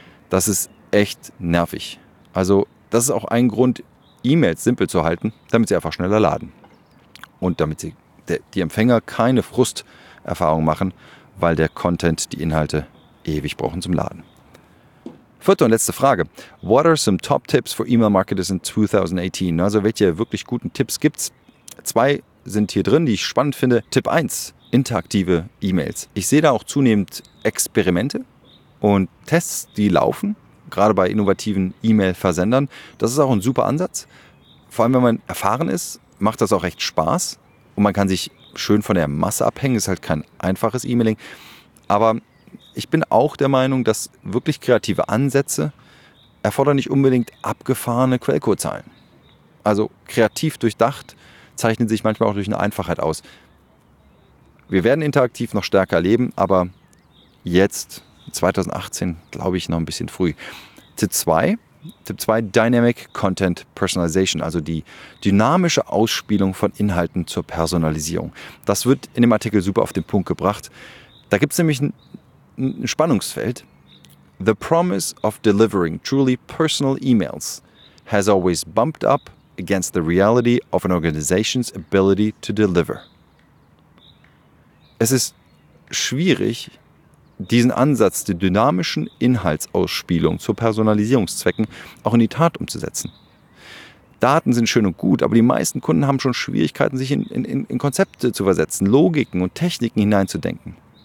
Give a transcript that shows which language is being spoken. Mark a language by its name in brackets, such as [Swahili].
[German] Das ist echt nervig. Also das ist auch ein Grund, E-Mails simpel zu halten, damit sie einfach schneller laden. Und damit die Empfänger keine Frusterfahrung machen, weil der Content die Inhalte ewig brauchen zum Laden. Vierte und letzte Frage. [English] What are some top tips for email marketers in 2018? [German] Also welche wirklich guten Tipps gibt's? Zwei sind hier drin, die ich spannend finde. Tipp 1, interaktive E-Mails. Ich sehe da auch zunehmend Experimente und Tests, die laufen, gerade bei innovativen E-Mail-Versendern. Das ist auch ein super Ansatz. Vor allem, wenn man erfahren ist, macht das auch echt Spaß. Und man kann sich schön von der Masse abhängen. Ist halt kein einfaches E-Mailing. Aber ich bin auch der Meinung, dass wirklich kreative Ansätze erfordern nicht unbedingt abgefahrene Quellcodezahlen. Also kreativ durchdacht zeichnet sich manchmal auch durch eine Einfachheit aus. Wir werden interaktiv noch stärker erleben, aber jetzt, 2018, glaube ich, noch ein bisschen früh. Tipp 2, Dynamic Content Personalization, also die dynamische Ausspielung von Inhalten zur Personalisierung. Das wird in dem Artikel super auf den Punkt gebracht. Da gibt es nämlich ein Spannungsfeld. [English] The promise of delivering truly personal emails has always bumped up against the reality of an organization's ability to deliver. [German] Es ist schwierig, diesen Ansatz der dynamischen Inhaltsausspielung zu Personalisierungszwecken auch in die Tat umzusetzen. Daten sind schön und gut, aber die meisten Kunden haben schon Schwierigkeiten, sich in Konzepte zu versetzen, Logiken und Techniken hineinzudenken.